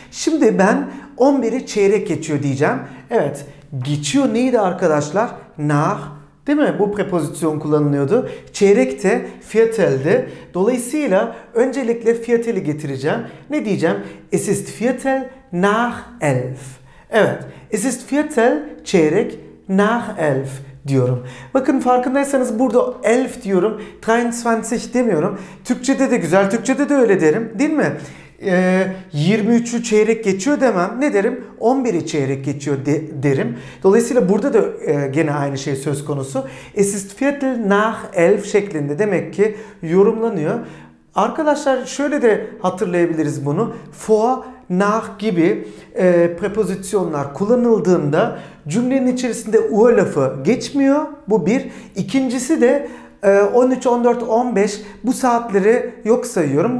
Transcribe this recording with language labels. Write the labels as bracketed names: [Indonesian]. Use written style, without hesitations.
[Turkish] Şimdi ben 11'i çeyrek geçiyor diyeceğim. Evet, geçiyor neydi arkadaşlar? Nach. Değil mi? Bu prepozisyon kullanılıyordu. Çeyrek de Viertel'di. Dolayısıyla öncelikle Viertel'i getireceğim. Ne diyeceğim? [German] Es ist Viertel nach elf. [Turkish] Evet. [German] Es ist Viertel [Turkish] çeyrek [German] nach elf [Turkish] diyorum. Bakın farkındaysanız burada elf diyorum. 23 demiyorum. Türkçede de güzel. Türkçede de öyle derim. Değil mi? 23'ü çeyrek geçiyor demem. Ne derim? 11'i çeyrek geçiyor derim. Dolayısıyla burada da gene aynı şey söz konusu. [German] Es ist Viertel nach 11 [Turkish] şeklinde demek ki yorumlanıyor. Arkadaşlar şöyle de hatırlayabiliriz bunu. Vor, nach gibi prepozisyonlar kullanıldığında cümlenin içerisinde uhr lafı geçmiyor. Bu bir. İkincisi de 13, 14, 15 bu saatleri yok sayıyorum.